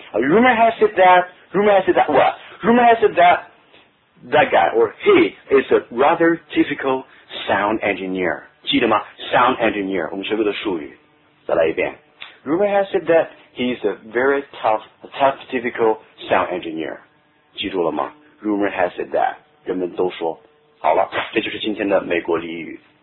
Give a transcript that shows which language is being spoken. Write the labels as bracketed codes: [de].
[en] Rumor has it that, rumor has it that, what? Rumor has it that, That guy, or he, is a rather typical sound engineer. [zh] 记得吗? Sound engineer, 我们学过的术语. 再来一遍. [en] Rumor has it that he is a very tough, typical sound engineer. [zh] 记住了吗? [en] Rumor has it that. [zh] 人们都说. 好了, 这就是今天的美国俚语.